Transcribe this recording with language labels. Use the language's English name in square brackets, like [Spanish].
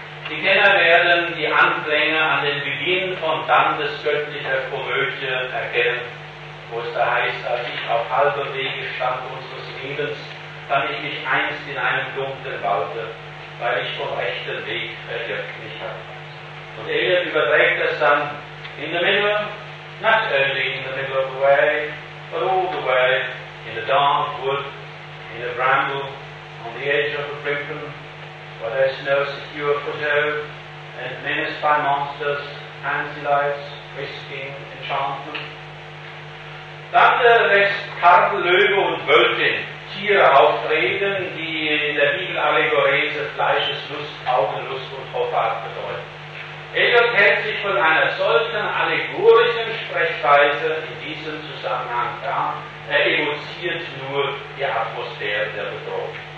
[German] Die Kenner werden die Anklänge an den Beginn von Dantes göttlicher Komödie erkennen, wo es da heißt, als ich auf halber Wege stand unseres Lebens, fand ich mich einst in einem dunklen Walde, weil ich vom rechten Weg verirrt mich hatte. Und Eliot überträgt es dann in der Mitte. [English] Not early in the middle of the way, but all the way, in the dark wood, in the bramble, on the edge of the brinken, where there's no secure foothold, and menaced by monsters, fancy lights, risking enchantment. [German] Dante lässt Karl, Löwe und Wölfin Tiere auftreten, die in der Bibelallegorese Fleisches Lust, Augenlust und Hoffart bedeuten. Eliot hält sich von einer solchen allegorischen Sprechweise in diesem Zusammenhang fern, er evoziert nur die Atmosphäre der Bedrohung.